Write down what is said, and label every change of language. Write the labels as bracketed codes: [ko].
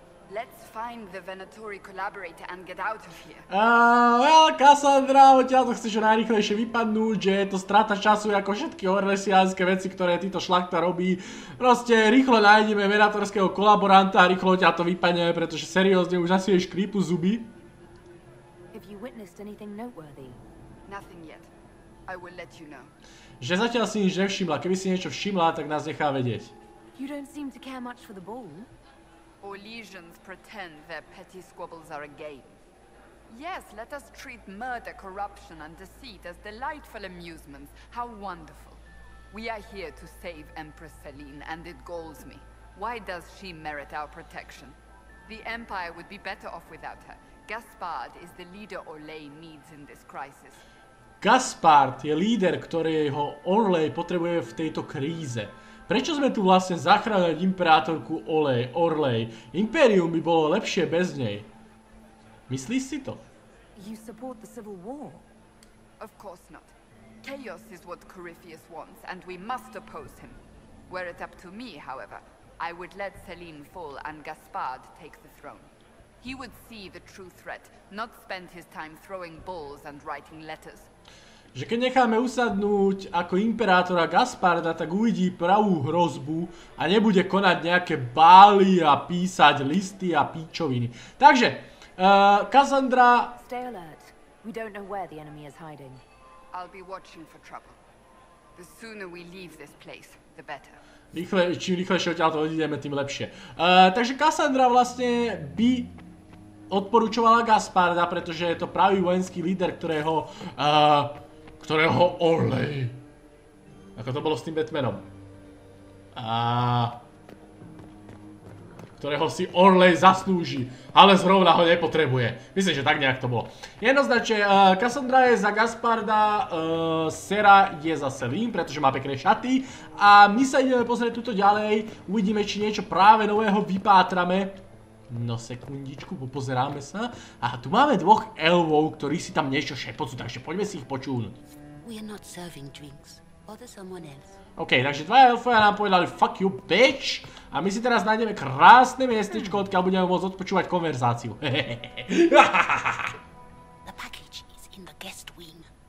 [en] Let's find the Venatori collaborator and get out of here. [sk] Well, Cassandra, od ťa to chceš najrýchlejšie vypadnúť, že je to strata času ako všetky orlesiánske veci, ktoré týto šlachta robí. Proste rýchlo nájdeme venatorského kolaboranta a rýchlo ťa to vypadne, pretože seriózne už asi ješ krípu zuby. [en] Have you witnessed anything noteworthy? Nothing yet. I will let you know. [sk] Že zatiaľ si nič nevšimla. Keby si niečo všimla, tak nás nechá vedieť. [en] You don't seem to care much for the ball. Orlesians pretend their petty squabbles are a game. Yes, let us treat murder, corruption and deceit as delightful amusements. How wonderful. We are here to save Empress Celine and it galls me. Why does she merit our protection? The Empire would be better off without her. Gaspard is the leader Orlay needs in this crisis. [sk] Gaspard je líder, ktorého Orlay potrebuje v tejto kríze. Prečo sme tu vlastne zachránili imperátorku Orlay? Imperium by bolo lepšie bez nej. Myslíš si to? [en] You support the civil war? Of course not. Chaos is what Corypheus wants and we must oppose him. Were it up to me, however, I would let Celine fall and Gaspard take the throne. He would see the true threat, not spend his time throwing balls and writing letters. [sk] Že keď necháme usadnúť ako imperátora Gasparda, tak uvidí pravú hrozbu a nebude konať nejaké bály a písať listy a píčoviny. Takže, Cassandra... [en] Stay alert. We don't know where the enemy is hiding. I'll be watching for trouble. The sooner we leave this place, the better. [sk] Čím rýchlejšie odtiaľto odídeme, tým lepšie. Takže Cassandra vlastne by... odporučovala Gasparda, pretože je to pravý vojenský líder, ktorého Orlay. Ako to bolo s tým Batmanom. Ktorého si Orlay zaslúži, ale zrovna ho nepotrebuje. Myslím, že tak nejak to bolo. Jednoznačne, Cassandra je za Gasparda, Sera je za Celine, pretože má pekné šaty. A my sa ideme pozrieť tuto ďalej, uvidíme, či niečo práve nového vypátrame. No sekundičku, popozeráme sa. A tu máme dvoch elvov, ktorí si tam niečo šepocú, takže poďme si ich počúvnuť. [en] We are not serving drinks. Bother someone else. [sk] OK, takže dva elfovia nám povedali [en] fuck you bitch. [sk] A my si teraz nájdeme krásne miestečko, odkiaľ budeme môcť odpočúvať konverzáciu. [en] The package is in the guest wing.